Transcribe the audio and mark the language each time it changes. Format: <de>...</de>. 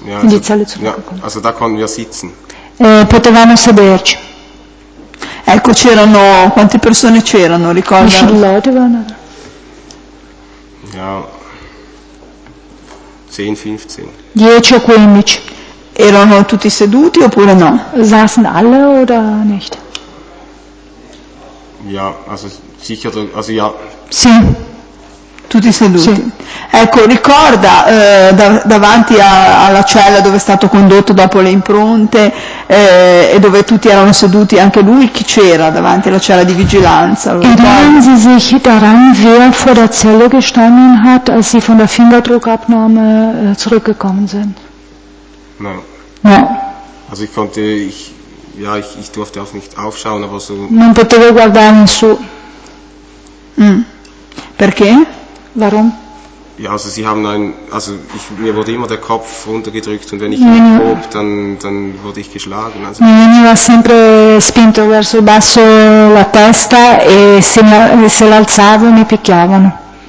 <de>Ja, also, in die Zelle zurückgekommen. Ja, also da konnten wir sitzen.</de> <it>Potevamo sederci. Ecco, c'erano, quante persone c'erano, ricorda?</it> <de>Wie viele Leute waren da? Ja. 10, 15.</de> <it>10 o 15. Erano tutti seduti oppure no?</it> <de>Saßen alle oder nicht? Ja, also sicher, also ja.</de> <it>Sì. Tutti seduti. Sì. Ecco, ricorda davanti alla cella dove è stato condotto dopo le impronte e dove tutti erano seduti, anche lui, chi c'era davanti alla cella di vigilanza?</it> <de>Erinnern Sie sich daran, wer vor der Zelle gestanden hat, als Sie von der Fingerdruckabnahme zurückgekommen sind? Nein.</de> <it>No.</it> <de>Also ich konnte, ich durfte auch nicht aufschauen, aber so.</de> <it>Non potevo guardare in su. Perché?</it> <de>Warum? Ja, also sie haben ein, also ich, mir wurde immer der Kopf runtergedrückt und wenn ich ihn hob, dann wurde ich geschlagen. Also</de> <it>mi veniva sempre spinto verso il basso la testa e se l'alzavo mi picchiavano.</it>